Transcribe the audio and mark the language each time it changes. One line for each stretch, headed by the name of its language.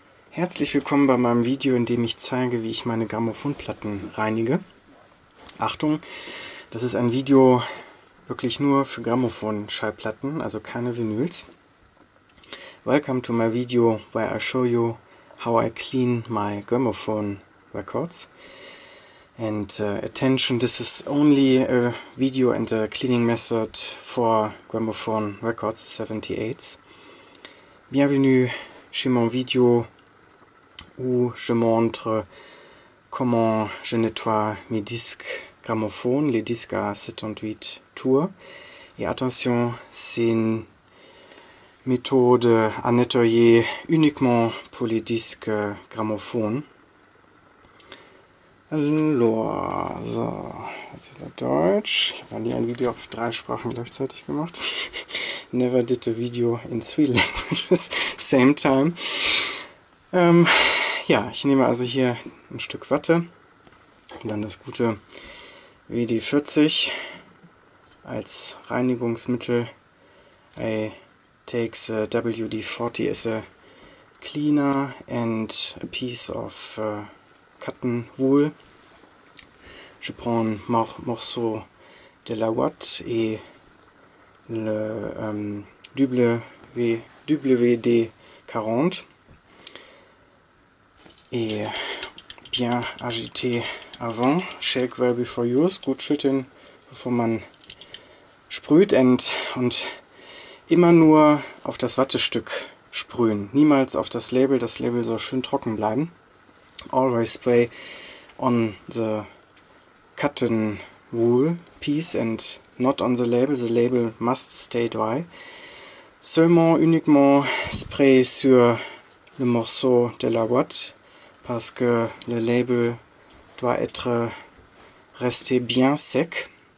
German: Herzlich willkommen bei meinem Video, in dem ich zeige, wie ich meine Grammophonplatten reinige. Achtung, das ist ein Video wirklich nur für Grammophon-Schallplatten, also keine Vinyls.
English: Welcome to my video, where I show you how I clean my Grammophon records. And attention, this is only a video and a cleaning method for Grammophon records 78s.
French: Bienvenue chez mon video. Où je montre comment je nettoie mes disques gramophones, les disques à 78 tours. Et attention, c'est une méthode à nettoyer uniquement pour les disques gramophones. Alors, so, c'est le Deutsch.
German: Ich habe nie ein Video auf drei Sprachen gleichzeitig gemacht.
English: Never did a video in three languages, same time.
German: Ja, ich nehme also hier ein Stück Watte und dann das gute WD-40 als Reinigungsmittel.
English: I take the WD-40 as a cleaner and a piece of cotton wool.
French: Je prends un morceau de la Watte et le WD-40. Et bien agiter avant,
English: shake well before use,
German: gut schütteln, bevor man sprüht und immer nur auf das Wattestück sprühen, niemals auf das Label soll schön trocken bleiben.
English: Always spray on the cotton wool piece and not on the label must stay dry.
French: Seulement, uniquement spray sur le morceau de la Watte. Parce que le label doit être resté bien sec.